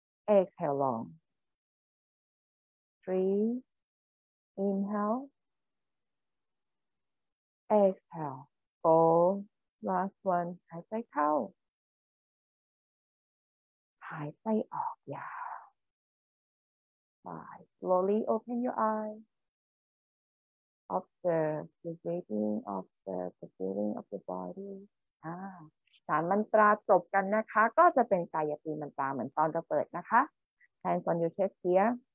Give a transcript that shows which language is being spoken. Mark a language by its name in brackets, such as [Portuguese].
[English] Exhale long. Three, inhale. Exhale. Four, last one, [Thai] หายใจเข้า หายใจออกยาว [English] Bye. Slowly open your eyes. Observe the breathing, observe the feeling of the body. [Thai] สามมันตราจบกันนะคะก็จะเป็นกายตีมันตราเหมือนตอนเปิดนะคะ [English] Hands on your chest here.